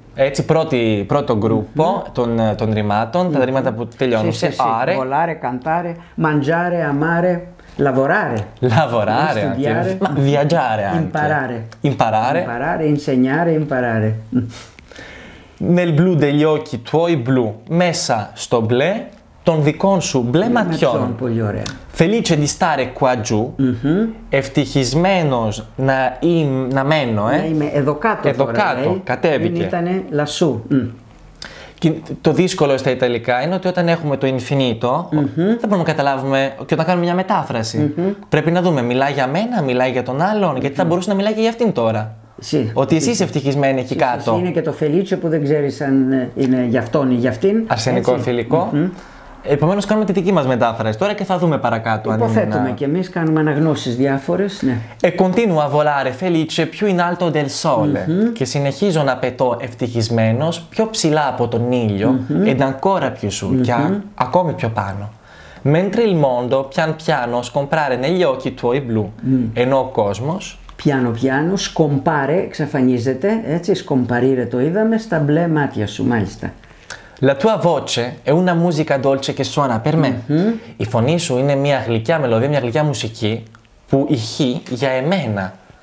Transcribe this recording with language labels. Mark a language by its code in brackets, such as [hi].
[el] Έτσι, πρώτο γκρουπο των ρημάτων, τα ρήματα που τελειώνουν σε άρε. [it] Volare, cantare, mangiare, amare, lavorare. Lavorare, viaggiare anche. Imparare, insegnare, imparare. Nel blu degli occhi tuoi blu, messa sto blè, [el] τον δικών σου μπλε ματιών. Πολύ ωραία. [it] Felice di stare qua giù, [el] ευτυχισμένος να μένω, να είμαι εδώ κάτω. Εδώ κάτω, κατέβηκε. Ήτανε λασσού. Το δύσκολο στα ιταλικά είναι ότι όταν έχουμε το infinito, δεν μπορούμε να καταλάβουμε, και όταν κάνουμε μια μετάφραση, πρέπει να δούμε, μιλάει για μένα, μιλάει για τον άλλον, γιατί θα μπορούσε να μιλάει και για αυτήν τώρα. [it] Sì, [el] ότι εσείς ευτυχισμένοι εκεί κάτω. Είναι και το felice που δεν ξέρεις αν είναι για αυτόν ή για αυτήν. Αρσενικό φιλικό. Επομένως κάνουμε τη δική μας μετάφραση τώρα και θα δούμε παρακάτω. Υποθέτουμε και εμείς, κάνουμε αναγνώσεις διάφορες, ναι. [it] E continuo a volare felice più in alto del sole. [el] Και συνεχίζω να πετώ ευτυχισμένος πιο ψηλά από τον ήλιο, [it] ed ancora più su, [el] ακόμη πιο πάνω. [it] Mentre il mondo pian piano scomparre negli occhi tuoi blu. [el] Ενώ ο κόσμος... [it] Piano piano scompare, [el] εξαφανίζεται, έτσι, scomparire το είδαμε, στα μπλε μάτια σου, μάλιστα. [it] La tua voce è una musica dolce che suona per me. [el] Η φωνή σου είναι μια γλυκιά μελωδία, μια γλυκιά μουσική που ηχεί για εμένα.